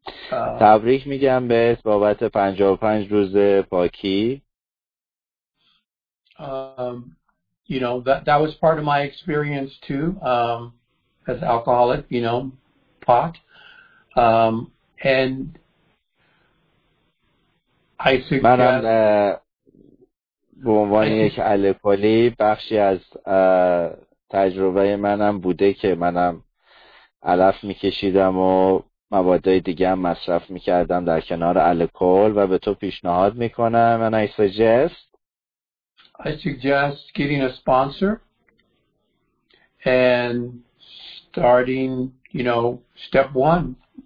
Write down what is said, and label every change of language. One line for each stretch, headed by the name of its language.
Persian: تبریک میگم بهت بابت 55 روز پاکی.
English: You know, that was part of my experience too, as alcoholic, you know, pot. And I suggest
Persian: منم به عنوان یک الکلی بخشی از تجربه منم بوده که منم علف میکشیدم و مواد دیگه هم مصرف میکردم در کنار الکل و به تو پیشنهاد میکنم.
English: And I suggest getting a sponsor and starting, you know, step one.